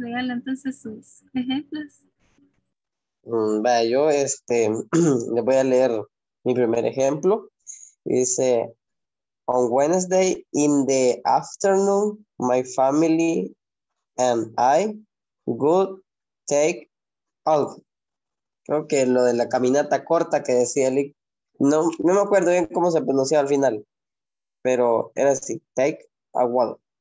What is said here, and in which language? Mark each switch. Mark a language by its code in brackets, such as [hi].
[es] A José, si nos regala entonces sus ejemplos. Vaya, yo le voy a leer mi primer ejemplo. Dice: [en] On Wednesday in the afternoon, my family and I go take off. [es] Creo que lo de la caminata corta que decía Lee, no me acuerdo bien cómo se pronunció al final, pero era así: [en] take a walk.